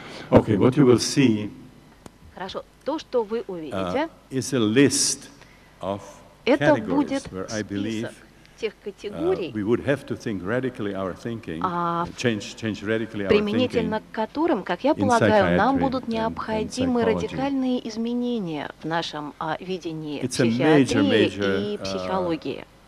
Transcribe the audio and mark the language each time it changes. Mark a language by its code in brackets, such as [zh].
[en] Okay, what you will see. [ru] Хорошо, то, что вы увидите. [en] Is a list of categories where I believe We would have to think radically our thinking, change radically our [ru] Применительно к которым, как я полагаю, нам будут необходимы радикальные изменения в нашем видении психиатрии и психологии.